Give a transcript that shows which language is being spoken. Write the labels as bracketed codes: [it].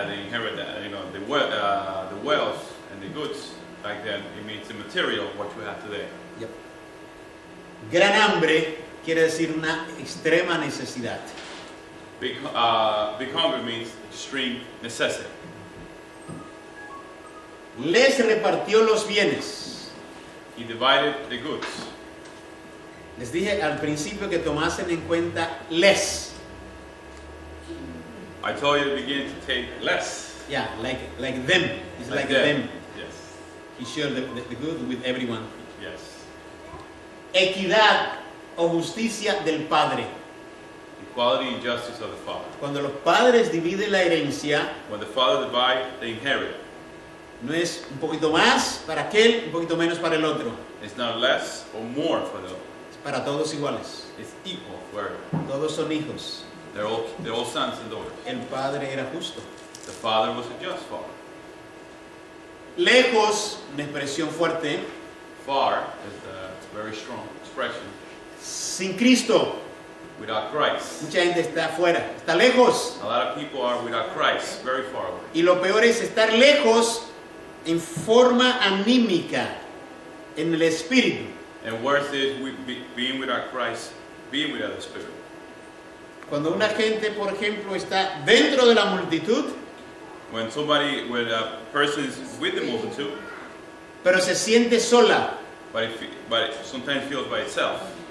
[en] The wealth and the goods back then, it means the material what you have today. Yep. [es] Gran hambre quiere decir una extrema necesidad. [en] Big hunger means extreme necessity. [es] Les repartió los bienes. [en] He divided the goods. [es] Les dije al principio que tomasen en cuenta les. [en] I told you to begin to take less. Yeah, like them. It's like them. Yes. He shared the good with everyone. Yes. [es] Equidad o justicia del padre. [en] Equality and justice of the father. [es] Cuando los padres dividen la herencia. [en] When the father divide, they inherit. [es] No es un poquito más para aquel, un poquito menos para el otro. [en] It's not less or more for the other. [es] Para todos iguales. [en] It's equal for everyone. [es] Todos son hijos. [en] They're all sons and daughters. [es] El padre era justo. [en] The father was a just father. [es] Lejos, una expresión fuerte. [en] Far is a very strong expression. [es] Sin Cristo. [en] without Christ. [es] Mucha gente está afuera, está lejos. [en] A lot of people are without Christ, very far away. [es] Y lo peor es estar lejos en forma anímica, en el espíritu. [en] And worse is we being without Christ, being without the Spirit. [es] Cuando una gente, por ejemplo, está dentro de la multitud, [en] when a person is with the multitude, [es] pero se siente sola, [en] but sometimes feels by itself,